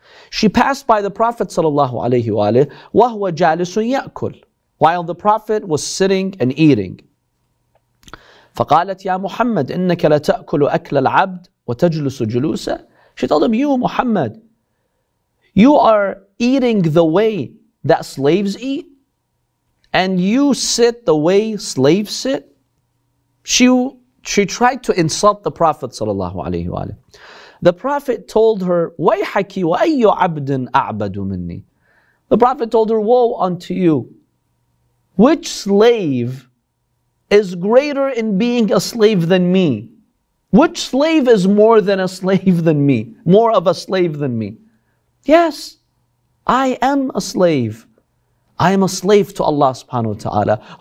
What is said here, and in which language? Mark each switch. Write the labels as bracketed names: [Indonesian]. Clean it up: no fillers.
[English] She passed by the Prophet [Arabic] صلى الله عليه وآله وهو جالس يأكل, [English] while the Prophet was sitting and eating. [Arabic] فقالت يا محمد إنك لتأكل أكل العبد وتجلس جلوسا. [English] She told him, you Muhammad, you are eating the way that slaves eat, and you sit the way slaves sit. She tried to insult the Prophet sallallahu alaihi wa alayhi. The Prophet told her, [Arabic] وَيْحَكِ وَأَيُّ عَبْدٍ أَعْبَدُ مِنِّي. [English] The Prophet told her, woe unto you, which slave is greater in being a slave than me? Which slave is more than a slave than me? More of a slave than me? Yes, I am a slave. I am a slave to Allah subhanahu wa ta'ala.